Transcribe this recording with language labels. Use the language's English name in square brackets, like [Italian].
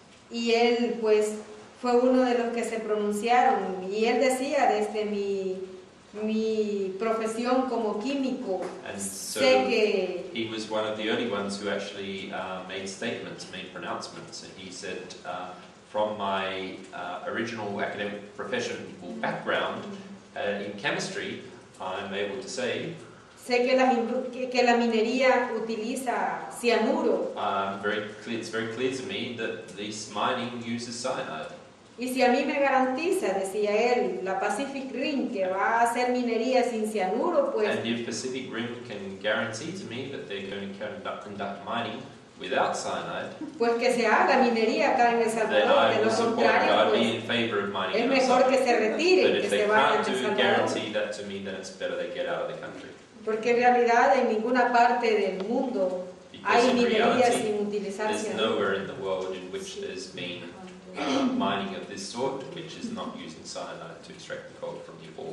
[Spanish] Y él, pues, fue uno de los que se pronunciaron. Y él decía, desde mi profesión como químico, sé que [English] he was one of the early ones who actually made statements, made pronouncements. And he said, from my original academic professional background in chemistry, I'm able to say [Spanish] sé que la minería utiliza cianuro. [English] It's very clear to me that this mining uses cyanide. [Spanish] Y si a mí me garantiza, decía él, la Pacific Rim que va a hacer minería sin cianuro, pues. [English] And if Pacific Rim can guarantee to me that they're going to conduct mining without cyanide, [Spanish] pues que se haga minería acá en El Salvador. De lo contrario, pues, [English] in favor of mining [Spanish] es mejor que se retire, que se vaya de El Salvador. [English] Guarantee that to me, then it's better they get out of the country. [Spanish] Porque en realidad en ninguna parte del mundo hay minería sin utilizar cianuro. [English] There's nowhere in the world in which there's been mining of this sort, which is not using cyanide to extract the coal from the ore.